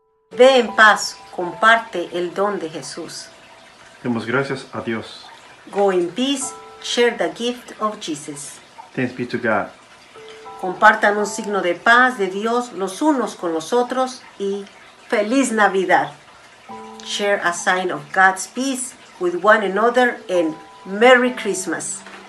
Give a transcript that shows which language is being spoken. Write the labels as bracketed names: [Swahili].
[Spanish] Ve en paz, comparte el don de Jesús. Demos gracias a Dios. [English] Go in peace, share the gift of Jesus. Thanks be to God. [Spanish] Compartan un signo de paz de Dios los unos con los otros y ¡Feliz Navidad! [English] Share a sign of God's peace with one another and Merry Christmas.